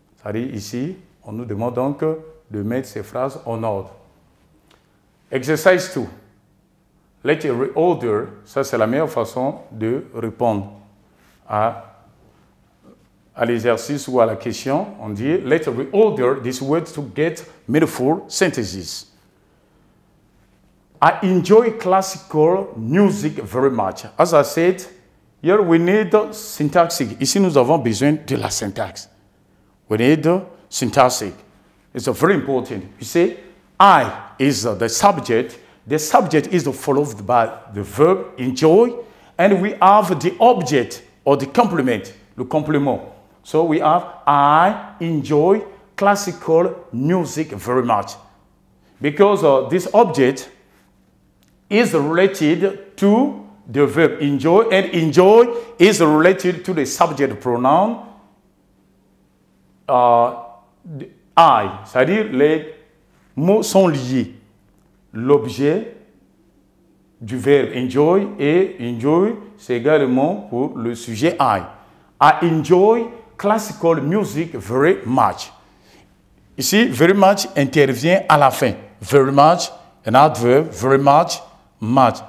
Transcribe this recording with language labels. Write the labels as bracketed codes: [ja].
[fr] C'est-à-dire ici, on nous demande donc de mettre ces phrases en ordre. [en] Exercise 2. Let's reorder, [fr] ça c'est la meilleure façon de répondre à l'exercice ou à la question. On dit, [en] let's reorder this word to get meaningful sentences. I enjoy classical music very much. As I said, here we need syntaxic. [fr] Ici, nous avons besoin de la syntaxe. [en] We need syntaxic. It's very important. You see, I is the subject. The subject is followed by the verb enjoy, and we have the object or the complement, [fr] le complément. [en] So we have I enjoy classical music very much. Because this object is related to the verb enjoy, and enjoy is related to the subject pronoun I. [fr] C'est-à-dire les mots sont liés. L'objet du verbe enjoy et enjoy, c'est également pour le sujet I. [en] I enjoy classical music very much. [fr] Ici, very much intervient à la fin. [en] Very much, an adverb, very much, much.